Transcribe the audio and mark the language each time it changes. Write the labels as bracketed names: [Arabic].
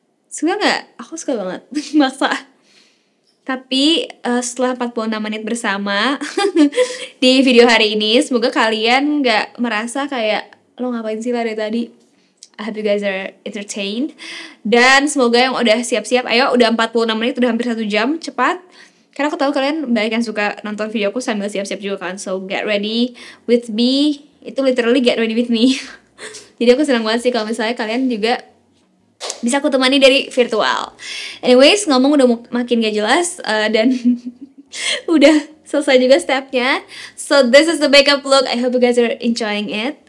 [Indonesian] Suka gak? Aku suka banget. Maksa. Tapi setelah 46 menit bersama di video hari ini, semoga kalian gak merasa kayak, lo ngapain sih dari tadi? [English] I hope you guys are entertained. [Indonesian] Dan semoga yang udah siap-siap, ayo udah 46 menit, udah hampir 1 jam, cepat. Karena aku tahu kalian banyak yang suka nonton videoku sambil siap-siap juga kan. [English] So get ready with me. Itu literally get ready with me. [Indonesian] Jadi aku senang banget sih kalau misalnya kalian juga bisa aku temani dari virtual. Anyways, ngomong udah makin gak jelas dan udah selesai juga stepnya. [English] So this is the makeup look. I hope you guys are enjoying it.